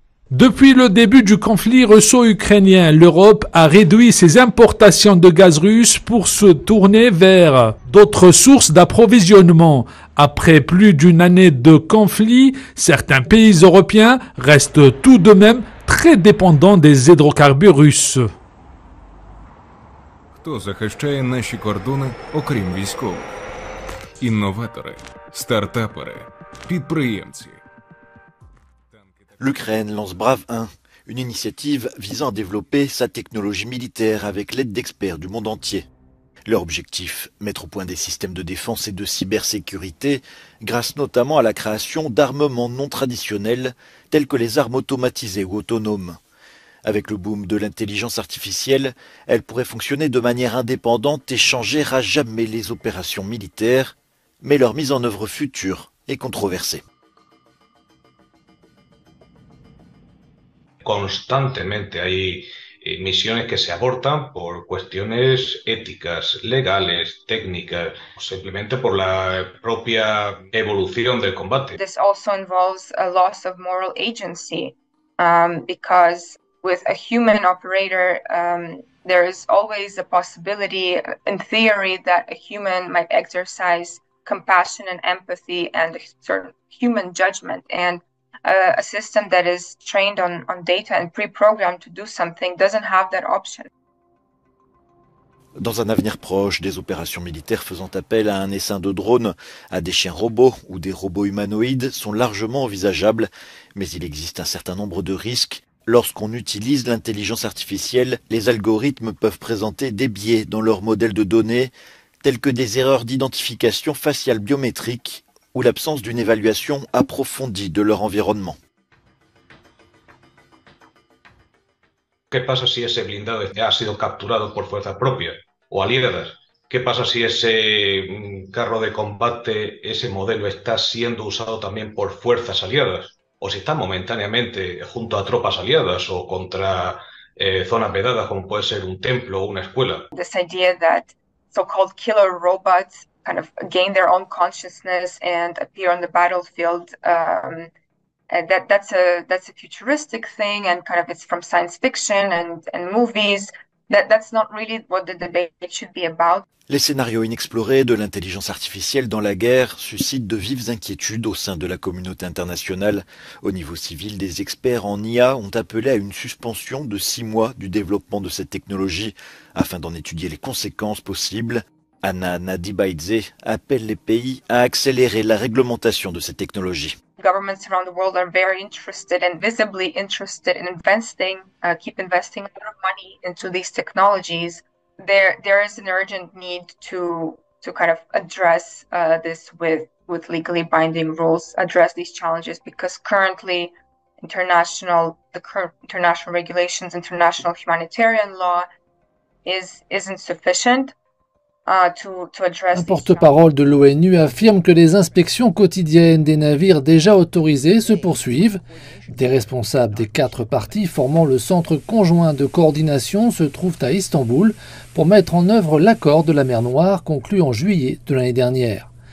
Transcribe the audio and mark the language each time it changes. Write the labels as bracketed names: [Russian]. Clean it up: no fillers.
[French] Depuis le début du conflit russo-ukrainien, l'Europe a réduit ses importations de gaz russe pour se tourner vers d'autres sources d'approvisionnement. Après plus d'une année de conflit, certains pays européens restent tout de même très dépendants des hydrocarbures russes. [Ukrainian] Хто захищає наші кордони, окрім військових? Інноватори, стартапери, підприємці. [French] L'Ukraine lance Brave 1, une initiative visant à développer sa technologie militaire avec l'aide d'experts du monde entier. Leur objectif, mettre au point des systèmes de défense et de cybersécurité, grâce notamment à la création d'armements non traditionnels, tels que les armes automatisées ou autonomes. Avec le boom de l'intelligence artificielle, elle pourrait fonctionner de manière indépendante et changer à jamais les opérations militaires, mais leur mise en œuvre future est controversée. [Spanish] Constantemente hay misiones que se abortan por cuestiones éticas, legales, técnicas, simplemente por la propia evolución del combate. [English] This also involves a loss of moral agency, because with a human operator, there is always a possibility in theory that a human might exercise compassion and empathy and a sort of human judgment. And a system that is trained on data and pre-programmed to do something doesn't have that option. [French] Dans un avenir proche, des opérations militaires faisant appel à un essaim de drones, à des chiens robots ou des robots humanoïdes sont largement envisageables, mais il existe un certain nombre de risques. Lorsqu'on utilise l'intelligence artificielle, les algorithmes peuvent présenter des biais dans leurs modèles de données, tels que des erreurs d'identification faciale biométrique ou l'absence d'une évaluation approfondie de leur environnement. [Spanish] ¿Qué pasa si ese blindado ha sido capturado por fuerza propia o aliadas? ¿Qué pasa si ese carro de combate, ese modelo, está siendo usado también por fuerzas aliadas? ¿O si está momentáneamente junto a tropas aliadas o contra zonas vedadas, como puede ser un templo o una escuela? [English] This idea that so-called killer robots kind of gain their own consciousness and appear on the battlefield, that's a futuristic thing, and kind of it's from science fiction and movies. That's not really what the debate should be about. [French] Les scénarios inexplorés de l'intelligence artificielle dans la guerre suscitent de vives inquiétudes au sein de la communauté internationale. Au niveau civil, des experts en IA ont appelé à une suspension de 6 mois du développement de cette technologie afin d'en étudier les conséquences possibles. Anna Nadibaidze appelle les pays à accélérer la réglementation de cette technologie. [English] Governments around the world are very interested and visibly interested in investing, keep investing a lot of money into these technologies. There is an urgent need to kind of address this with legally binding rules, address these challenges, because currently the current international regulations, international humanitarian law isn't sufficient. [French] Un porte-parole de l'ONU affirme que les inspections quotidiennes des navires déjà autorisés se poursuivent. Des responsables des 4 parties formant le centre conjoint de coordination se trouvent à Istanbul pour mettre en œuvre l'accord de la mer Noire conclu en juillet de l'année dernière.